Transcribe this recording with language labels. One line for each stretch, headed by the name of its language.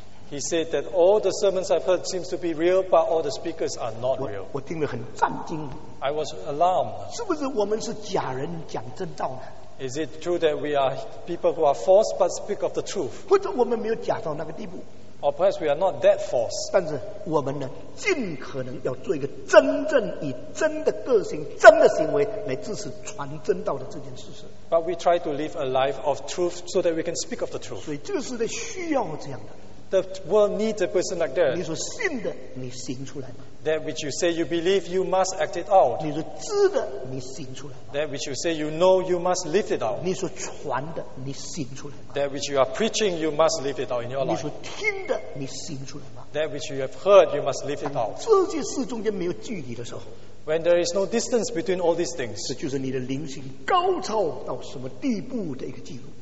English: He said that all the sermons I've heard seems to be real, but all the speakers are not real.
Chinese: 我听了很震惊,
English: I was alarmed. Is it true that we are people who are false but speak of the truth? Or perhaps we are not that false.
Chinese: 但是我们呢, 尽可能要做一个真正以真的个性、真的行为来支持传真道的这件事实。
English: But we try to live a life of truth so that we can speak of the truth.
Chinese: 所以这个时代需要这样的。
English: The world needs a person like that.
Chinese: 你所信的, 你行出来吗?
English: That which you say you believe, you must act it out.
Chinese: 你所知的, 你行出来吗?
English: That which you say you know, you must live it out.
Chinese: 你所传的, 你行出来吗?
English: That which you are preaching, you must live it out in your life.
Chinese: 你所听的, 你行出来吗?
English: That which you have heard, you must live it out.
Chinese: 这件事中间没有距离的时候,
English: when there is no distance between all these things,
Chinese: 这就是你的灵性高超到什么地步的一个记录。